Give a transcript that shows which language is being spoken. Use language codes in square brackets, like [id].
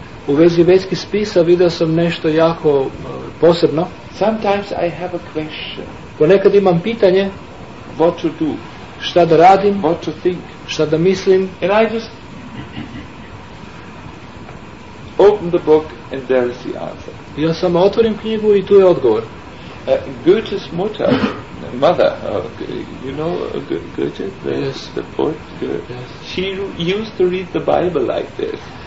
[sr] U vezi vedskih spisa vidio sam nešto jako posebno. [en] Sometimes I have a question. [sr] Ponekad imam pitanje. [en] What to do? [sr] Šta da radim? [en] What to think? [sr] Šta da mislim? [en] And I just open the book and there is the answer. [sr] Ja samo otvorim knjigu i tu je odgovor. [en] Goethe's mother, you know Goethe, the poet, she used to read the Bible like this.